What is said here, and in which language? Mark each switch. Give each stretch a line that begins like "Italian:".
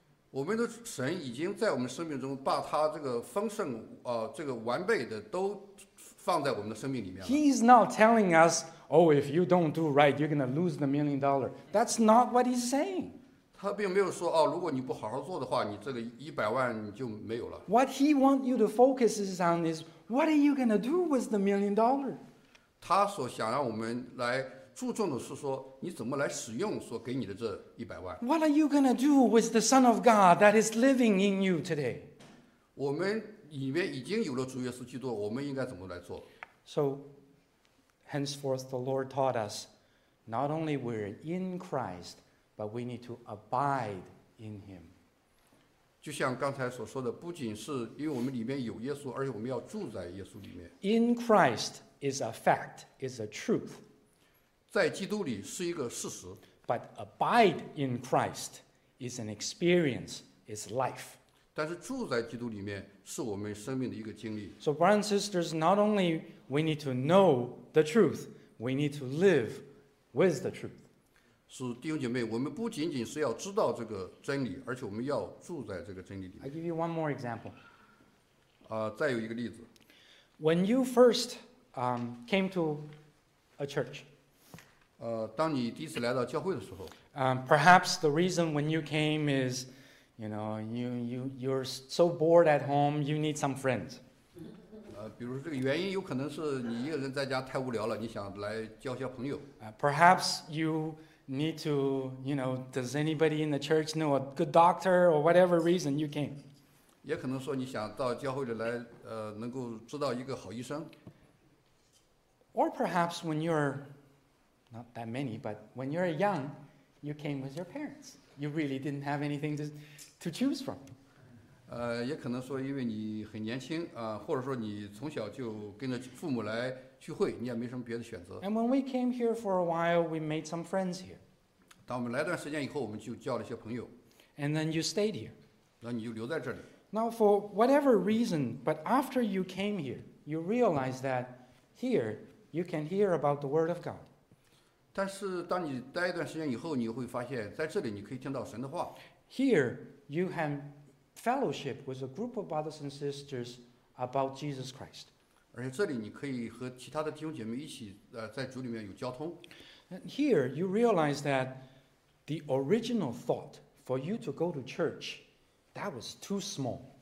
Chinese: 我们的神已经在我们生命中把他这个丰盛、这个完备的都放在我们的生命里面了。
English: He's not telling us, oh, if you don't do right, you're going to lose the $1 million. That's not what he's saying.
Chinese: 他并没有说、哦、如果你不好好做的话，你这个一百万就没有了。
English: What he wants you to focus is on is, what are you going to do with the $1 million?
Chinese: 他所想让我们来注重的是说你怎么来使用所给你的这一百万。
English: What are you going to do with the Son of God that is living in you today?
Chinese: 我们里面已经有了主耶稣基督，我们应该怎么来做？
English: So, henceforth the Lord taught us, not only we're in Christ, but we need to abide in Him.
Chinese: 就像刚才所说的，不仅是因为我们里面有耶稣，而且我们要住在耶稣里面。
English: In Christ is a fact, is a truth.
Chinese: 在基督里是一个事实。
English: But abide in Christ is an experience, is life.
Chinese: 但是住在基督里面是我们生命的一个经历。
English: So, brothers and sisters, not only we need to know the truth, we need to live with the truth.
Chinese: 是弟兄姐妹，我们不仅仅是要知道这个真理，而且我们要住在这个真理里面。
English: I'll give you one more example.
Chinese: 再有一个例子。
English: When you first, came to a church,
Chinese: 当你第一次来到教会的时候
English: perhaps the reason when you came is, you know, you're so bored at home, you need some friends.
Chinese: 比如说这个原因有可能是你一个人在家太无聊了，你想来交交朋友。
English: Perhaps you need to, you know, does anybody in the church know a good doctor or whatever reason you came?
Chinese: 也可能说你想到教会里来，能够知道一个好医生。
English: Or perhaps when you're not that many, but when you're young, you came with your parents. You really didn't have anything to choose from.
Chinese: 也可能说因为你很年轻，或者说你从小就跟着父母来聚会，你也没什么别的选择。
English: And when we came here for a while, we made some friends here.
Chinese: 当我们来段时间以后，我们就交了一些朋友。
English: And then you stayed here.
Chinese: 那你就留在这里。
English: Now for whatever reason, but after you came here, you realize that here, you can hear about the word of God.
Chinese: 但是当你待一段时间以后，你会发现在这里你可以听到神的话。
English: Here you have fellowship with a group of brothers and sisters about Jesus Christ.
Chinese: 而且这里你可以和其他的弟兄姐妹一起，在主里面有交通。
English: Here you realize that the original thought for you to go to church, that was too small.